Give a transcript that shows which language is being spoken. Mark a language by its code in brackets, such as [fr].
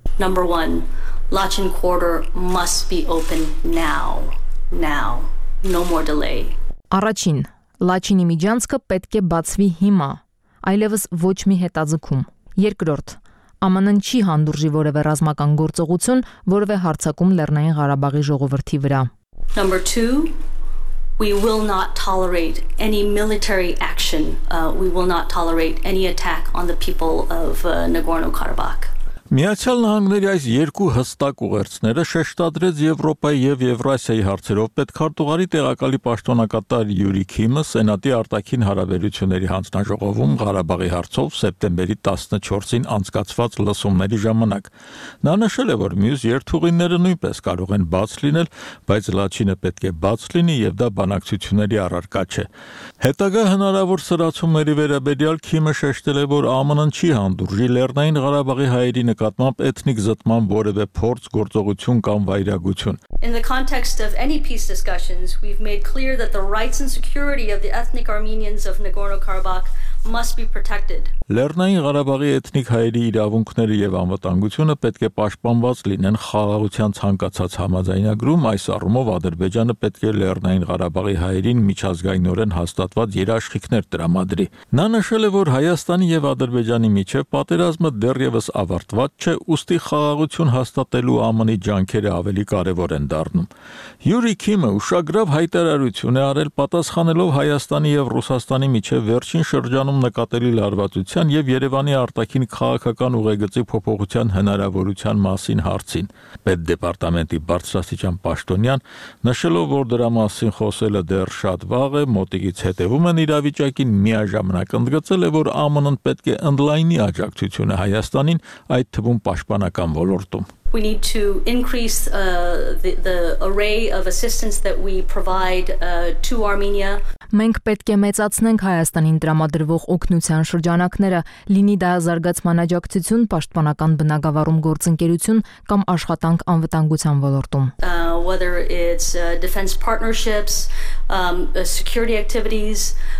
[en] Number one, Lachin Corridor must be open now. Now. No more delay. [hy] Առաջին, Լաչինի միջանցքը պետք է բացվի հիմա, այլևս ոչ մի հետաձգում. Երկրորդ, ԱՄՆ-ն չի հանդուրժի որևէ ռազմական գործողություն, որևէ հարձակում Լեռնային Ղարաբաղի ժողովրդի վրա. [en] Number two, we will not tolerate any military action. We will not tolerate any attack on the people of Nagorno-Karabakh. [hy] Միացյալ Նահանգների այս երկու հստակ ուղերձները շեշտադրեց Եվրոպայի և Եվրասիայի հարցերով պետքարտուղարի տեղակալի պաշտոնակատար Յուրի Քիմը Սենատի արտաքին հարաբերությունների հանձնաժողովում Ղարաբաղի հարցով սեպտեմբերի 14-ին անցկացված լսումների ժամանակ։ Նա նշել է, որ մյուս երթուղիները նույնպես կարող են բաց լինել, բայց Լաչինը պետք է բաց լինի և դա բանակցությունների առարկա չէ։ Հետագա հնարավոր սրացումների վերաբերյալ Քիմը շեշտել է, որ ԱՄՆ-ն չի հանդուրժի Լեռնային Ղարաբաղի հայերի նկատմամբ էթնիկ զտման որևէ փորձ, գործողություն կամ վայրագություն։ [en] In the context of any peace discussions, we've made clear that the rights and security of the ethnic Armenians of Nagorno-Karabakh must be protected. [hy] Լեռնային Ղարաբաղի էթնիկ հայերի իրավունքները եւ անվտանգությունը պետք է պաշտպանված լինեն խաղաղության ցանկացած համաձայնագրում, այս առումով Ադրբեջանը պետք է Լեռնային Ղարաբաղի հայերին միջազգայնորեն հաստատված երաշխիքներ տրամադրի։ Նա նշել է, որ Հայաստանի եւ Ադրբեջանի միջև պատերազմը դեռևս ավարտված չէ, ուստի խաղաղություն հաստատելու ԱՄՆ-ի ջանքերը ավելի կարևոր են դառնում։ Յուրի Քիմը ուշագրավ հայտարարություն է արել պատասխանելով Հայաստանի եւ Ռուսաստանի միջև վերջին շրջանում նկատելի լարվածության եւ Երևանի արտաքին քաղաքական ուղեգծի փոփոխության հնարավորության մասին հարցին։ Պետդեպարտամենտի բարձրաստիճան պաշտոնյան, նշելով, որ դրա մասին խոսելը դեռ շատ վաղ է, մոտիկից հետևում են իրավիճակին, միաժամանակ ընդգծել է, որ ԱՄՆ-ն պետք է ընդլայնի աջակցությունը Հայաստանին, այդ թվում պաշտպանական ոլորտում։ [en] We need to increase the array of assistance that we provide to Armenia. [hy] Մենք պետք է մեծացնենք Հայաստանին տրամադրվող օգնության շրջանակները, լինի դա զարգացման աջակցություն, պաշտպանական բնագավառում գործընկերություն կամ աշխատանք անվտանգության ոլորտում. [en] Whether it's defense partnerships, security activities.